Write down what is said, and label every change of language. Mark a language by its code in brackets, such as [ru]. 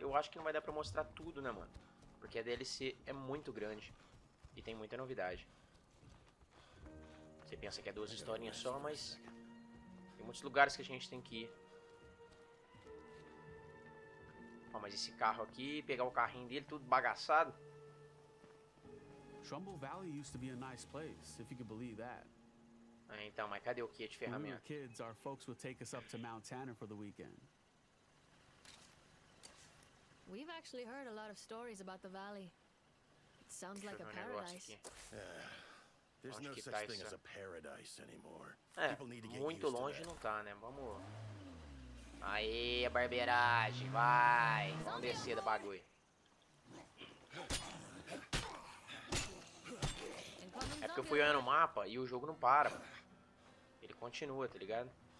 [pt] Eu acho que não vai dar pra mostrar tudo, né, mano? Porque a DLC é muito grande e tem muita novidade. Você pensa que é duas historinhas só, mas tem muitos lugares que a gente tem que ir. Oh, mas esse carro aqui, pegar o carrinho dele, tudo bagaçado. [en] Trumbull Valley used to be a nice place, if you could believe that. [pt] Ah, então, mas cadê o kit de ferramenta? [en] When we were kids, our folks would take us up to Mount Tanner for the weekend. We've actually heard a lot of stories about the valley. It sounds like a paradise. There's no such thing as a paradise anymore. People need to get [pt] muito longe não tá, né? Vamos. Aê, a barbeiragem, vai! Vamos descer do bagulho. É porque eu fui olhando o mapa e o jogo não para, mano. Ele continua, tá ligado?